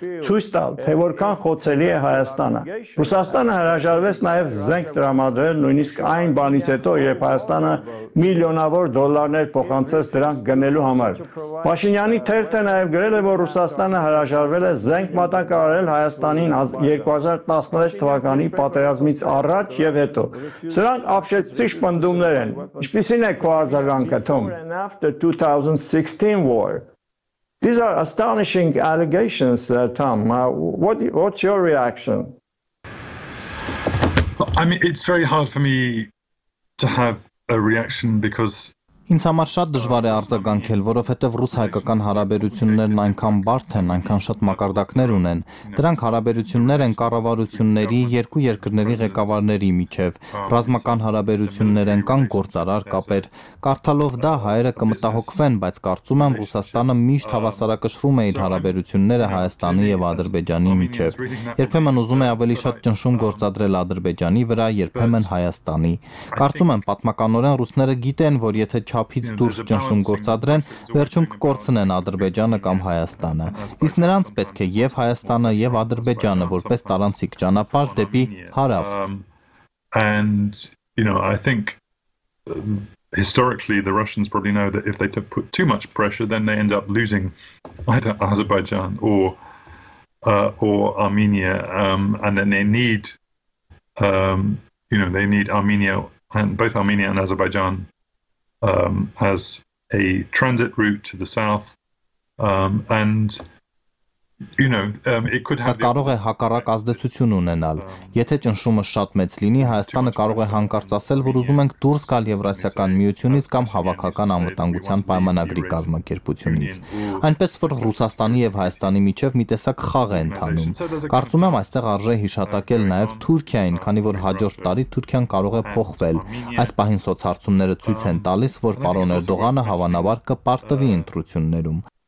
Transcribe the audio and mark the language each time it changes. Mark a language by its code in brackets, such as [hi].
[hy] ցույց տալ, թե որքան խոցելի է Հայաստանը։ Ռուսաստանը հրաժարվեց նաև զենք տրամադրել նույնիսկ այն բանից հետո, երբ Հայաստանը միլիոնավոր դոլարներ փոխանցեց դրանք գնելու համար։ Պաշինյանի թերթը նաև գրել է, որ Ռուսաստանը հրաժարվել է զենք մատակարարել Հայաստանին 2016 թվականի պատերազմից առաջ եւ հետո։ Սրանք ապշեցիչ պնդումներ են։ Ինչպիսին է քո արձագանքը [en] and after 2016 war? These are astonishing allegations, Tom. What's your reaction? I mean, it's very hard for me to have a reaction because [hy] ինձ համար շատ դժվար է արձագանքել, որովհետև ռուս-հայկական հարաբերություններն այնքան բարդ են, այնքան շատ մակարդակներ ունեն։ Դրանք հարաբերություններ են կառավարությունների երկու երկրների ղեկավարների միջև։ Ռազմական հարաբերություններ են կան գործարար կապեր։ Կարդալով դա հայերը կմտահոգվեն, բայց կարծում եմ Ռուսաստանը միշտ հավասարակշռում է իր հարաբերությունները Հայաստանի եւ Ադրբեջանի միջև։ Երբեմն ուզում է ավելի շատ ճնշում գործադրել Ադրբեջանի վրա, երբեմն Հայաստանի։ Կարծում եմ պատմականորեն ռուսները գիտեն, որ եթե չափից դուրս ճնշում գործադրեն, վերջում կկորցնեն Ադրբեջանը կամ Հայաստանը։ Իսկ նրանց պետք է եւ Հայաստանը, եւ Ադրբեջանը որպես տարանցիկ ճանապարհ դեպի հարավ։ [en] And you know, I think historically the Russians probably know that if they put too much pressure then they end up losing either Azerbaijan or Armenia and then they need they need Armenia and both Armenia and Azerbaijan as a transit route to the south and you know it could have [hy] կարող է հակառակ ազդեցություն ունենալ։ Եթե ճնշումը շատ մեծ լինի, Հայաստանը կարող է հանկարծ ասել, որ ուզում ենք դուրս գալ Եվրասիական միությունից կամ Հավաքական անվտանգության պայմանագրի կազմակերպությունից։ Այնպես որ Ռուսաստանի եւ Հայաստանի միջև մի տեսակ խաղ է ընթանում։ Կարծում եմ այստեղ արժե հիշատակել նաեւ Թուրքիային, քանի որ հաջորդ տարի Թուրքիան կարող է փոխվել։ Այս պահին սոցհարցումները ցույց են տալիս, որ պարոն Էրդողանը հավանաբար կպարտվի ընտրություններում։